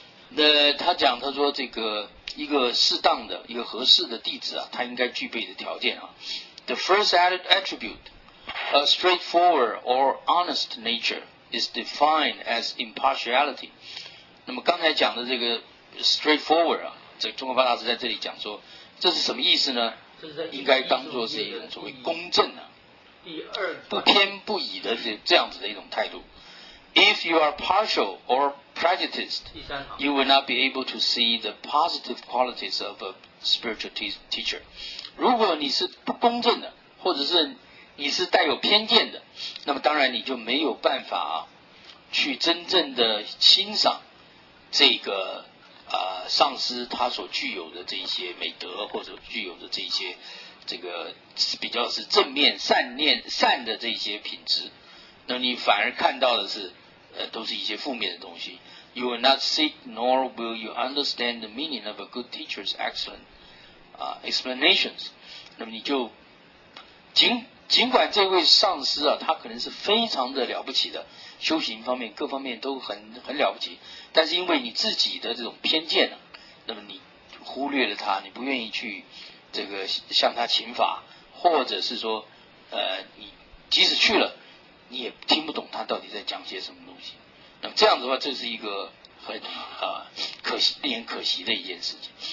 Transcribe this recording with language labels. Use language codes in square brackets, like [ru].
[zh] 那他讲，他说这个一个适当的、一个合适的弟子啊，他应该具备的条件啊 ， [en] the first added attribute, a straightforward or honest nature, is defined as impartiality。 [zh] 那么刚才讲的这个 straightforward 啊，这中国发大师在这里讲说，这是什么意思呢？应该当作是一种所谓公正啊，不偏不倚的这样子的一种态度。 [en] If you are partial or prejudiced, you will not be able to see the positive qualities of a spiritual teacher. [zh] 如果你是不公正的，或者是你是带有偏见的，那么当然你就没有办法去真正的欣赏这个上师他所具有的这一些美德，或者具有的这一些这个比较是正面善念善的这一些品质。那你反而看到的是都是一些负面的东西。 [en] You will not see nor will you understand the meaning of a good teacher's excellent explanations。 [zh] 那么你就尽管这位上师啊，他可能是非常的了不起的，修行方面各方面都很了不起，但是因为你自己的这种偏见啊，那么你忽略了他，你不愿意去这个向他请法，或者是说你即使去了你也听不懂他到底在讲些什么东西，那么这样的话，这是一个很可惜、令人可惜的一件事情。